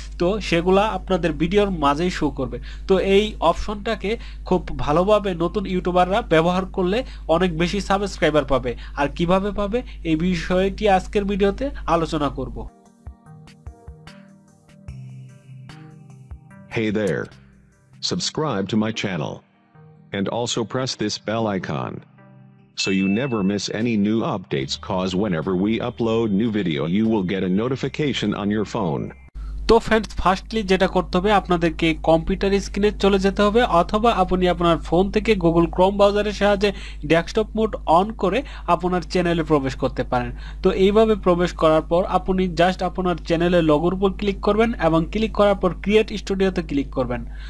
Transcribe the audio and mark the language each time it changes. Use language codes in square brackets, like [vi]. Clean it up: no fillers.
[bn] তো সেগুলো আপনাদের ভিডিওর মাঝেই শো করবে। তো এই অপশনটাকে খুব ভালোভাবে নতুন ইউটিউবাররা ব্যবহার করলে অনেক বেশি সাবস্ক্রাইবার পাবে। আর কিভাবে পাবে এই বিষয়টি আজকের ভিডিওতে আলোচনা করব। [en] Hey there. Subscribe to my channel and also press this bell icon so you never miss any new updates, cause whenever we upload new video you will get a notification on your phone. [bn] তো friends, firstly যেটা করতে হবে আপনাদেরকে computer স্ক্রিনে চলে যেতে হবে, অথবা আপনি আপনার ফোন থেকে গুগল ক্রোম ব্রাউজারের সাহায্যে ডেস্কটপ মোড অন করে আপনার চ্যানেলে প্রবেশ করতে পারেন। তো এইভাবে প্রবেশ করার পর আপনি জাস্ট আপনার চ্যানেলের লোগোর উপর ক্লিক করবেন এবং ক্লিক করার পর ক্রিয়েট স্টুডিওতে ক্লিক করবেন।